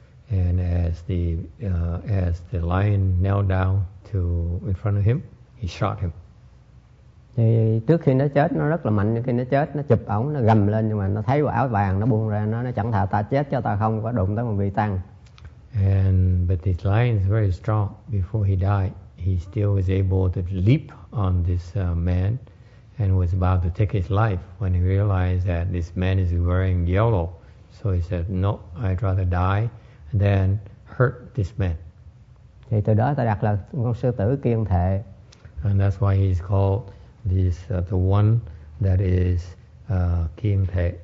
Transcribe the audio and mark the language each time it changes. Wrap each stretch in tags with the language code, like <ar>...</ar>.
<en>And as the lion knelt down to in front of him, he shot him.</en> <vi>Thì trước khi nó chết nó rất là mạnh, khi nó chết nó chụp ổng, nó gầm lên, nhưng mà nó thấy quả áo vàng nó buông ra, nó chẳng thà ta chết cho ta không có đụng tới một vị tăng.</vi> <en>And but this lion is very strong. Before he died, he still was able to leap on this man and was about to take his life when he realized that this man is wearing yellow. So he said, no, I'd rather die than hurt this man.</en> <vi>Thì từ đó ta đặt là con sư tử kiên thệ.</vi> <en>And that's why he's called this the one that is kiên thệ.</en>